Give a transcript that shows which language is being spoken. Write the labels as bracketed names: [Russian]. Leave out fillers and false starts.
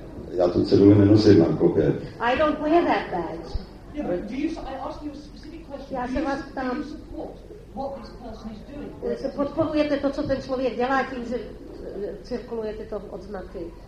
[Czech] Já tu ceduli nenosím na klopě. [English] I don't wear that badge. Yeah, but do you, I ask you a specific question. Do you support what this person is doing? [Czech] Se podporujete to, co ten člověk dělá tím, že cirkuluje tyto odznaky?